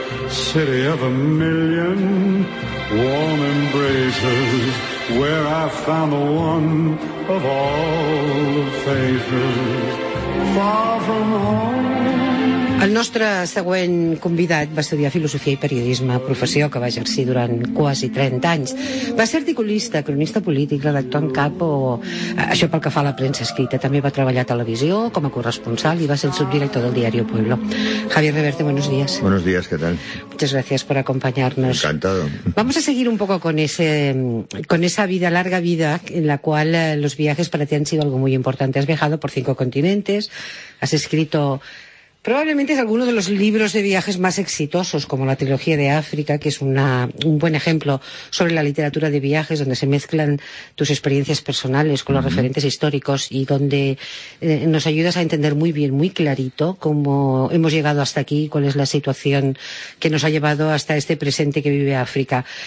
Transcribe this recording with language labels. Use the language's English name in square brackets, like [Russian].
[English] city of a million warm embraces, where I found the one of all the faces, far from home. [Catalan] El nostre següent convidat va estudiar filosofia i periodisme, professió que va exercir durant quasi 30 anys. Va ser articulista, cronista polític, redactor en cap o, això pel que fa a la premsa escrita. També va treballar a televisió com a corresponsal i va ser el subdirector del diari Pueblo. [Spanish] Javier Reverte, buenos días. Buenos días, ¿qué tal? Muchas gracias por acompañarnos. Encantado. Vamos a seguir un poco con esa vida, larga vida, en la cual los viajes para ti han sido algo muy importante. Has viajado por 5 continentes, has escrito... Probablemente es alguno de los libros de viajes más exitosos, como la trilogía de África, que es un buen ejemplo sobre la literatura de viajes, donde se mezclan tus experiencias personales con los referentes históricos y donde nos ayudas a entender muy bien, muy clarito, cómo hemos llegado hasta aquí, cuál es la situación que nos ha llevado hasta este presente que vive África.